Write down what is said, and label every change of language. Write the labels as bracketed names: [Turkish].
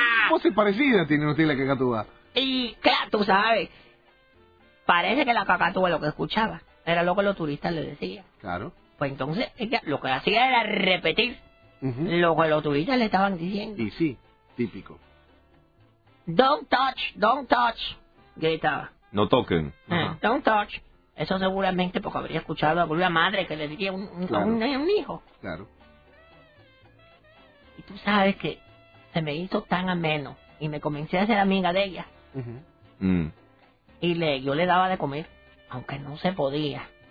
[Spanish] Voces parecidas tiene usted la cacatúa. Y claro, tú sabes... Parece que la cacatúa lo que escuchaba era lo que los turistas le decían. Claro. Pues entonces ella lo que hacía era repetir lo que los turistas le estaban diciendo. Y sí, típico. [English] Don't touch, don't touch, [Spanish] gritaba. No toquen. [English] Don't touch. [Spanish] Eso seguramente porque habría escuchado a una madre que le diría un hijo. Claro. Y tú sabes que se me hizo tan ameno y me comencé a ser amiga de ella. Y yo le daba de comer, aunque no se podía.